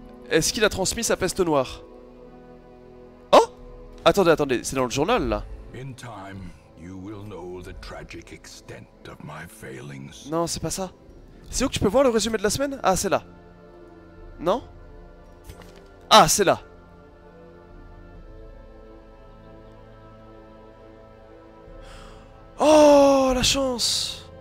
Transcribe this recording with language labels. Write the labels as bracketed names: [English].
[French] Est-ce qu'il a transmis sa peste noire? Oh! Attendez, attendez, c'est dans le journal là. [English] In time, you will know the tragic extent of my failings. [French] Non, c'est pas ça. C'est où que tu peux voir le résumé de la semaine? Ah, c'est là. Non? Ah, c'est là. Oh, la chance!